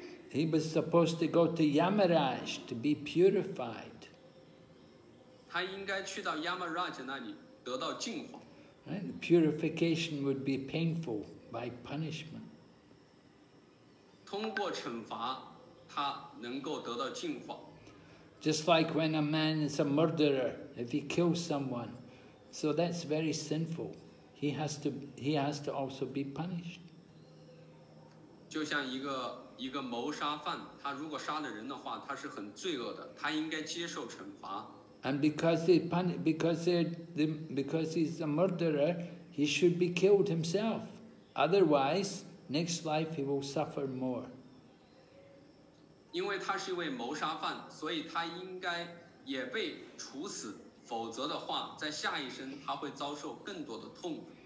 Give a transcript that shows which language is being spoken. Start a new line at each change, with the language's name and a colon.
English: He was supposed to go to Yamaraj to be purified.
Chinese: He 应该去到 Yamaraj 那里得到净化。
English: Right? Purification would be painful by punishment.
Chinese: 通过惩罚，他能够得到净化。
English: Just like when a man is a murderer, if he kills someone, so that's very sinful. He has to also be punished.
Chinese: 就像一个谋杀犯，他如果杀了人的话，他是很罪恶的，他应该接受惩罚。
English: And because he's a murderer, he should be killed himself. Otherwise, next life he will suffer more.
Chinese: 因为他是一位谋杀犯，所以他应该也被处死，否则的话，在下一生他会遭受更多的痛苦。